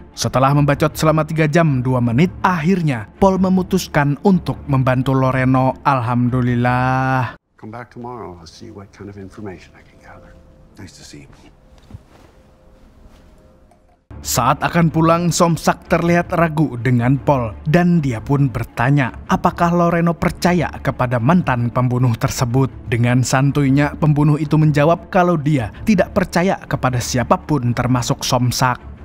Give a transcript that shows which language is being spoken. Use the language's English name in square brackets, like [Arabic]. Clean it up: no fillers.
[Indonesian] Setelah membacot selama 3 jam 2 menit, akhirnya Paul memutuskan untuk membantu Loreno. Alhamdulillah. [English] Come back tomorrow. I'll see what kind of information I can gather. Nice to see you. [Indonesian] Saat akan pulang, Somsak terlihat ragu dengan Paul dan dia pun bertanya apakah Loreno percaya kepada mantan pembunuh tersebut. Dengan santuinya, pembunuh itu menjawab kalau dia tidak percaya kepada siapapun termasuk Somsak.